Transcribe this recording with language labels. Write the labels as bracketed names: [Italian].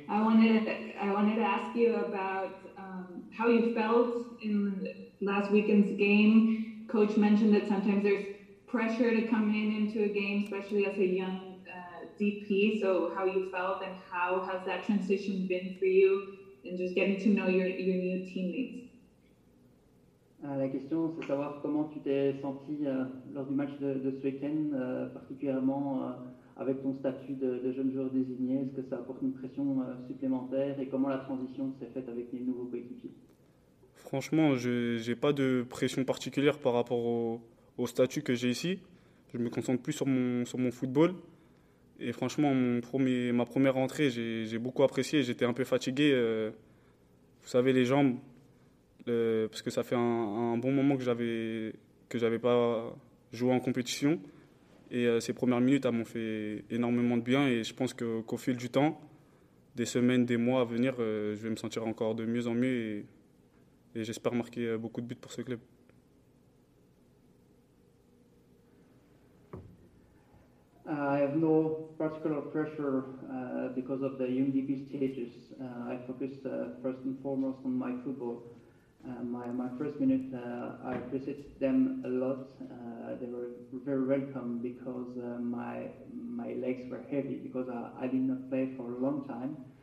[English] I wanted to ask you about how you felt in last weekend's game. Coach mentioned that sometimes there's pressure to come into a game, especially as a young DP. So how you felt, and how has that transition been for you, and just getting to know your new teammates? [French] La question, c'est savoir comment tu t'es senti lors du match de ce week-end, particulièrement avec ton statut de jeune joueur désigné. Est-ce que ça apporte une pression supplémentaire et comment la transition s'est faite avec les nouveaux coéquipiers? Franchement, je n'ai pas de pression particulière par rapport au statut que j'ai ici. Je me concentre plus sur mon football. Et franchement, ma première entrée, j'ai beaucoup apprécié. J'étais un peu fatigué. Vous savez, les jambes. Parce que ça fait un bon moment que j'avais pas joué en compétition. Et ces premières minutes, elles m'ont fait énormément de bien. Et je pense qu'au fil du temps, des semaines, des mois à venir, je vais me sentir encore de mieux en mieux. Et j'espère marquer beaucoup de buts pour ce club. [English] I have no particular pressure because of the UMDP stages. I focus first and foremost on my football. My first minute, I appreciated them a lot. They were very welcome because my legs were heavy because I did not play for a long time.